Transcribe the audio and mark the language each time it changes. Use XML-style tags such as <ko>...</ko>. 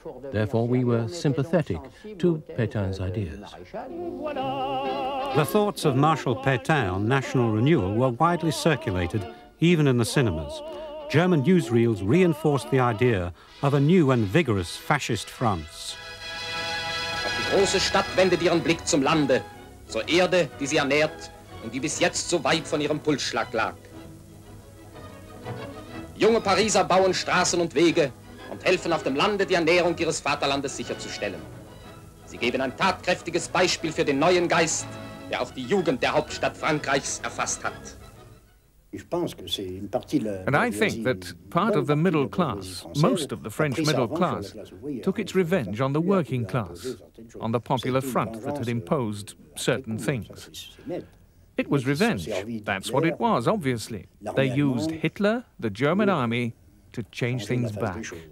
<en>Therefore, we were sympathetic to Pétain's ideas. The thoughts of Marshal Pétain on national renewal were widely circulated, even in the cinemas. German newsreels reinforced the idea of a new and vigorous fascist France.</en> <de>Auf die große Stadt wendet ihren Blick zum Lande, zur Erde, die sie ernährt und die bis jetzt so weit von ihrem Pulsschlag lag. Junge Pariser bauen Straßen und Wege und helfen auf dem Lande, die Ernährung ihres Vaterlandes sicherzustellen. Sie geben ein tatkräftiges Beispiel für den neuen Geist, der auch die Jugend der Hauptstadt Frankreichs erfasst hat.</de> <en>And I think that part of the middle class, most of the French middle class, took its revenge on the working class, on the popular front that had imposed certain things. It was revenge. That's what it was, obviously. They used Hitler, the German army, to change things back.</en>